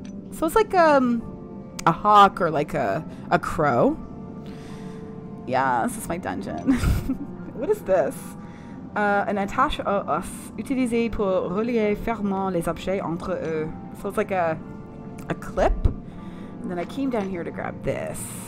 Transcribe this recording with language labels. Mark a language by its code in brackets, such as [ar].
[en] So it's like a hawk or like a crow. Yeah, this is my dungeon. What is this? [fr] An attache au os, utilisé pour relier fermement les objets entre eux. [en] So it's like a clip. And then I came down here to grab this.